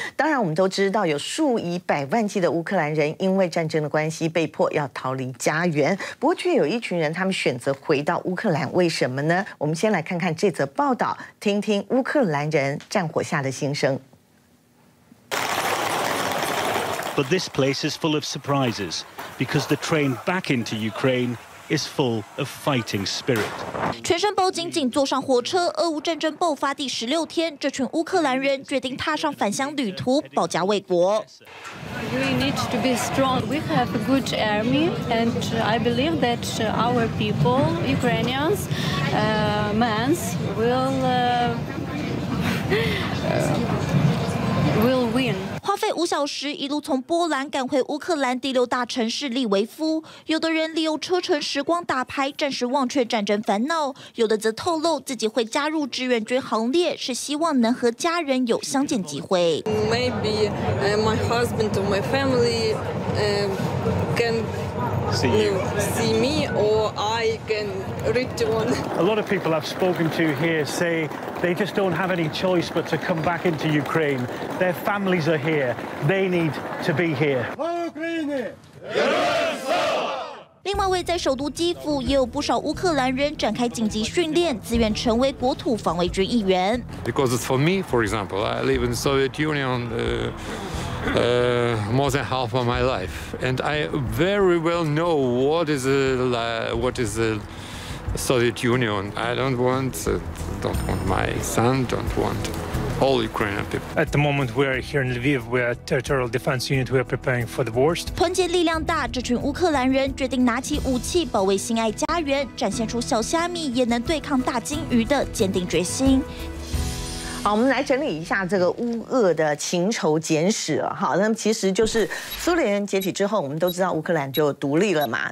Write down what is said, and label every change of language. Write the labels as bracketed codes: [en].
[zh] 当然我们都知道有数以百万计的乌克兰人因为战争的关系被迫要逃离家园，不过却有一群人他们选择回到乌克兰，为什么呢？我们先来看看这则报道，听听乌克兰人战火下的心声。 [en] But this place is full of surprises because the train back into Ukraine is full of fighting spirit. [zh] 全身包紧紧坐上火车，俄乌战争爆发第十六天，这群乌克兰人决定踏上返乡旅途，保家卫国。 [en] We need to be strong. We have a good army, and I believe that our people, Ukrainians, men, will. Will win. [zh] 花费五小时一路从波兰赶回乌克兰第六大城市利维夫，有的人利用车程时光打牌，暂时忘却战争烦恼；有的则透露自己会加入志愿军行列，是希望能和家人有相见机会。 [en] Maybe my husband or my family can see me, or I can return. A lot of people I've spoken to here say. They just don't have any choice but to come back into Ukraine. Their families are here. They need to be here. Ukraine! Yes! [zh] 另外，位在首都基辅，也有不少乌克兰人展开紧急训练，自愿成为国土防卫军一员。 [en] Because it's for me, for example, I live in the Soviet Union more than half of my life, and I very well know what is the Soviet Union. I don't want my son. Don't want all Ukrainian people. At the moment, we are here in Lviv. We are a territorial defense unit. We are preparing for the worst. [zh] 团结力量大，这群乌克兰人决定拿起武器保卫心爱家园，展现出小虾米也能对抗大鲸鱼的坚定决心。好，我们来整理一下这个乌俄的情仇简史啊。好，那么其实就是苏联解体之后，我们都知道乌克兰就独立了嘛。